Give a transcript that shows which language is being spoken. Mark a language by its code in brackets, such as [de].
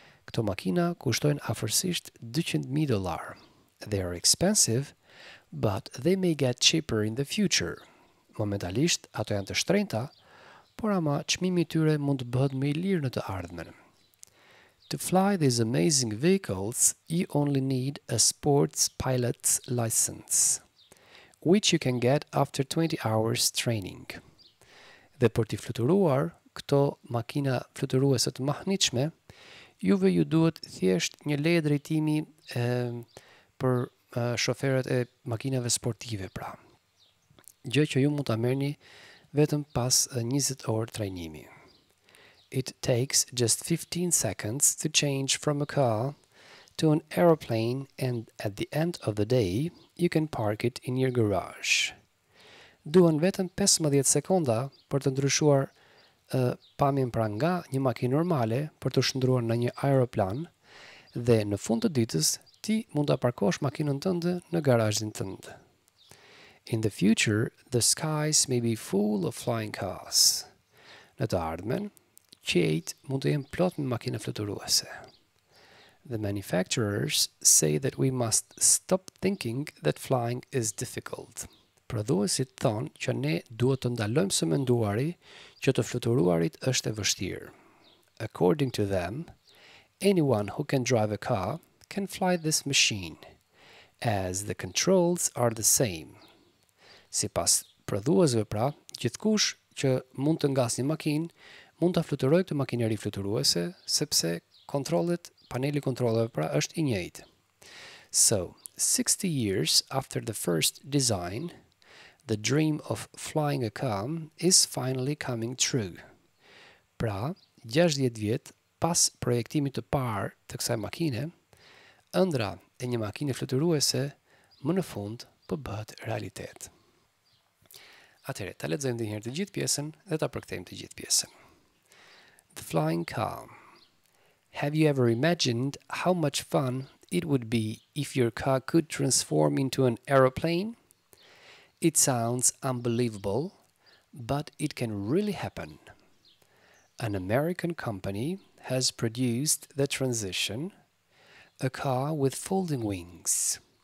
[sq] Këto makina kushtojnë afërsisht $200,000. [en] They are expensive, but they may get cheaper in the future. [sq] Momentalisht, ato janë të shtrenjta, por ama çmimi i tyre mund të bëhet më i lirë në të ardhmen. [en] To fly these amazing vehicles, you only need a sports pilot's license, which you can get after 20 hours training. [sq] Dhe për t'i fluturuar këto makina fluturuese të mahnitshme, juve ju duhet thjesht një leje drejtimi për shoferët e makinave sportive, pra. Gjë që ju mund ta merrni vetëm pas 20 orë trajnimi. [en] It takes just 15 seconds to change from a car to an aeroplane and at the end of the day you can park it in your garage. [sq] Duan vetëm 15 sekonda për të ndryshuar pamjen pra nga një makinë normale për të shndruar në një aeroplan dhe në fund të ditës ti mund të parkosh makinën tënde në garazhin tënd. [en] In the future, the skies may be full of flying cars. [sq] Në të ardhmen, qiejt mund të jenë plot me makina fluturuese. [en] The manufacturers say that we must stop thinking that flying is difficult. [sq] Prodhuesit thonë që ne duhet të ndalojmë së menduari që të fluturuarit është e vështirë. [en] According to them, anyone who can drive a car can fly this machine, as the controls are the same. [sq] Sipas prodhuesve pra, gjithkush që mund të ngas një makinë, mund të fluturoj këtë makineri fluturuese, sepse kontrolet, paneli kontrolëve pra, është i njëjtë. [en] So, 60 years after the first design, the dream of flying a car is finally coming true. [sq] Pra, 60 vjet pas projektimit të parë të kësaj makine, ëndra e një makine fluturuese më në fund po bëhet realitet. Atëherë, ta lexojmë edhe një herë të gjithë pjesën dhe ta përkthejmë të gjithë pjesën. [en] The flying car. Have you ever imagined how much fun it would be if your car could transform into an aeroplane? It sounds unbelievable, but it can really happen. An American company has produced the transition, a car with folding wings.